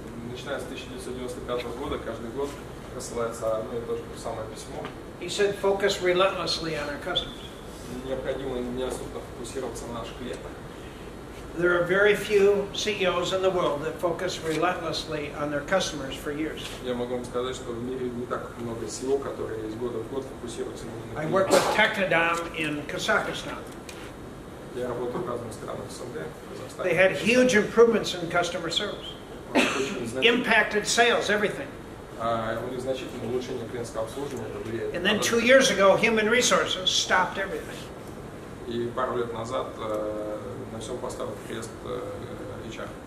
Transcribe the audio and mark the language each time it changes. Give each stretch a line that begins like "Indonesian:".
Russian: Начиная с 1995 года, каждый год рассылается одно и то же самое письмо.
English: He said, "Focus relentlessly on our customers."
Russian: Необходимо неотступно фокусироваться на наших клиентах.
English: There are very few CEOs in the world that focus relentlessly on their customers for years.
Russian: Я могу вам сказать, что в мире не так много CEO, которые из года в год фокусируются на клиентах.
English: I worked with Tekadam in Kazakhstan.
Russian: Я работал в разных странах СНГ, Казахстан.
English: They had huge improvements in customer service. Impacted sales, everything.
Russian: У них значительное улучшение клиентского обслуживания.
English: And then 2 years ago, human resources stopped everything.
Russian: И пару лет назад на всем поставил крест HR.